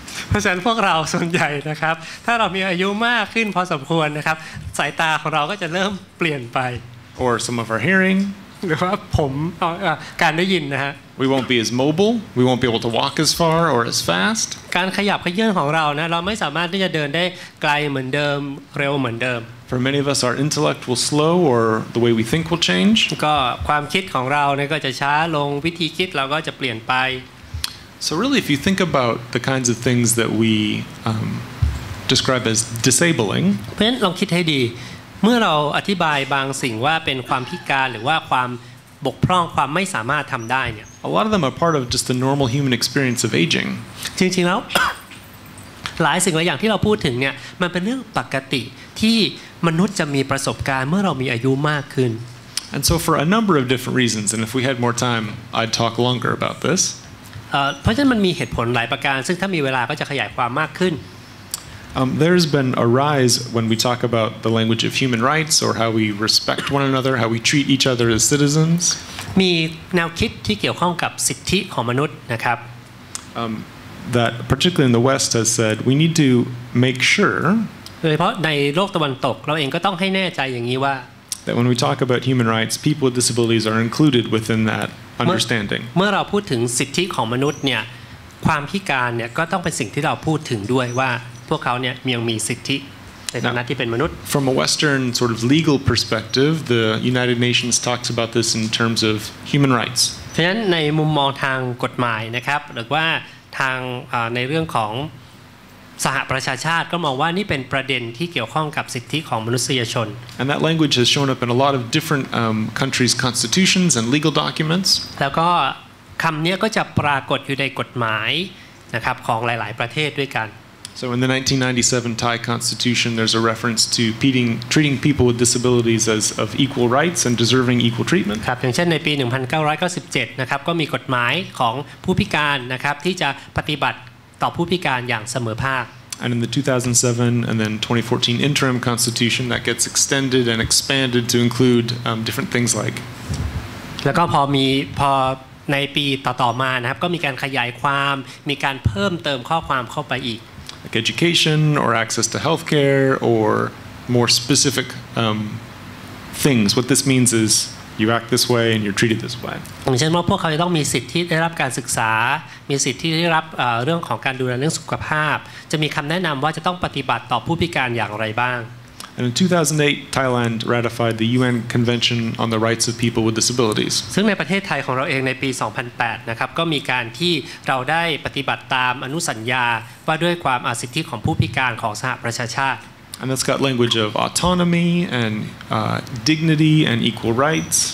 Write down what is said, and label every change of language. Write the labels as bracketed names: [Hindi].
[Thai] เพราะฉะนั้นพวกเราส่วนใหญ่นะครับถ้าเรามีอายุมากขึ้นพอสมควรนะครับสายตาของเราก็จะเริ่มเปลี่ยนไป [English] or some of our hearing [Thai] หรือว่าผมการได้ยินนะฮะ [English] we won't be as mobile we won't be able to walk as far or as fast [Thai] การขยับขยื่นของเรานะเราไม่สามารถที่จะเดินได้ไกลเหมือนเดิมเร็วเหมือนเดิม [English] for many of us our intellect will slow or the way we think will change [Thai] ก็ความคิดของเราเนี่ยก็จะช้าลงวิธีคิดเราก็จะเปลี่ยนไป [English] So really, if you think about the kinds of things that we describe as disabling, [Thai] เพราะฉะนั้นลองคิดให้ดีเมื่อเราอธิบายบางสิ่งว่าเป็นความพิการหรือว่าความบกพร่องความไม่สามารถทำได้เนี่ย [English] A lot of them are part of just the normal human experience of aging. [Thai] จริงๆแล้วหลายสิ่งหลายอย่างที่เราพูดถึงเนี่ยมันเป็นเรื่องปกติที่มนุษย์จะมีประสบการณ์เมื่อเรามีอายุมากขึ้น [English] And so, for a number of different reasons, and if we had more time, I'd talk longer about this. [Thai] เพราะฉะนั้นมันมีเหตุผลหลายประการซึ่งถ้ามีเวลาก็จะขยายความมากขึ้น [English] There's been a rise when we talk about the language of human rights or how we respect one another, how we treat each other as citizens. [Thai] มีแนวคิดที่เกี่ยวข้องกับสิทธิของมนุษย์นะครับ [English] That particularly in the West has said we need to make sure. [Thai] โดยเฉพาะในโลกตะวันตกเราเองก็ต้องให้แน่ใจอย่างนี้ว่า [English] That when we talk about human rights, people with disabilities are included within that. Understanding. [Thai] เมื่อเราพูดถึงสิทธิของมนุษย์เนี่ยความพิการเนี่ยก็ต้องเป็นสิ่งที่เราพูดถึงด้วยว่าพวกเขาเนี่ยยังมีสิทธิในฐานะที่เป็นมนุษย์ [English] From a Western sort of legal perspective, the United Nations talks about this in terms of human rights. [Thai] เพราะฉะนั้นในมุมมองทางกฎหมายนะครับหรือว่าทางในเรื่องของสหประชาชาติก็มองว่านี่เป็นประเด็นที่เกี่ยวข้องกับสิทธิของมนุษยชน [English] And that language has shown up in a lot of different countries' constitutions and legal documents. [Thai] แล้วก็คำนี้ก็จะปรากฏอยู่ในกฎหมายนะครับของหลายๆประเทศด้วยกัน [English] So in the 1997 Thai Constitution, there's a reference to treating people with disabilities as of equal rights and deserving equal treatment. [Thai] ครับอย่างเช่นในปี1997นะครับก็มีกฎหมายของผู้พิการนะครับที่จะปฏิบัติต่อผู้พิการอย่างเสมอภาค [English] And in the 2007 and then 2014 interim constitution that gets extended and expanded to include different things like [Thai] แล้วก็พอในปีต่อๆมานะครับก็มีการขยายความมีการเพิ่มเติมข้อความเข้าไปอีก [English] like education or access to healthcare or more specific things what this means is you act this way and you're treated this way [Thai] อย่างเช่นว่าพวกเขาจะต้องมีสิทธิที่ได้รับการศึกษามีสิทธิที่ได้รับเรื่องของการดูแลเรื่องสุขภาพจะมีคำแนะนำว่าจะต้องปฏิบัติต่อผู้พิการอย่างไรบ้าง [English] And in 2008 Thailand ratified the UN Convention on the Rights of People with Disabilities [Thai] ซึ่งในประเทศไทยของเราเองในปี2008นะครับก็มีการที่เราได้ปฏิบัติตามอนุสัญญาว่าด้วยความสิทธิของผู้พิการของสหประชาชาติ [English] And that's got language of autonomy and dignity and equal rights